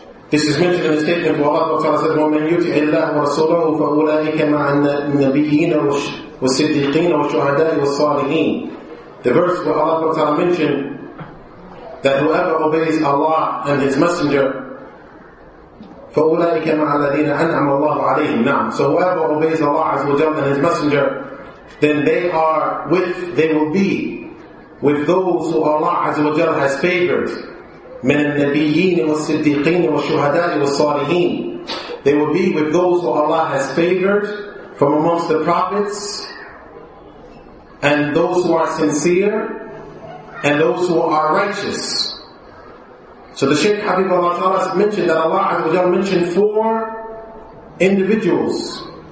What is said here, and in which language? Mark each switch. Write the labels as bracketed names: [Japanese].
[English] This is mentioned in the statement where Allah Ta'ala said, [Arabic] وَمَنْ يُتِعِ اللَّهُ وَرَسُولَهُ فَأُولَٰئِكَ مَعَ النَّبِيِّينَ وَالصِّدِّيقِينَ وَالشُّهَدَاءِ وَالصَّالِحِينَ. [English] The verse where Allah Ta'ala mentioned that whoever obeys Allah and His Messenger, [Arabic] فَأُولَٰئِكَ مَعَ الَّذِينَ أَنْعَمَ اللَّهُ عَلَيْهِمْ. [English] Now, so whoever obeys Allah Azza wa Jalla and His Messenger, then they will be with those who Allah Azza wa Jalla has favored. [Arabic] من النبيين والصديقين والشهداء والصالحين. [English] They will be with those who Allah has favored from amongst the prophets and those who are sincere and those who are righteous. So the Shaykh Habib Allah Ta'ala mentioned that Allah Azza wa Jalla mentioned four individuals.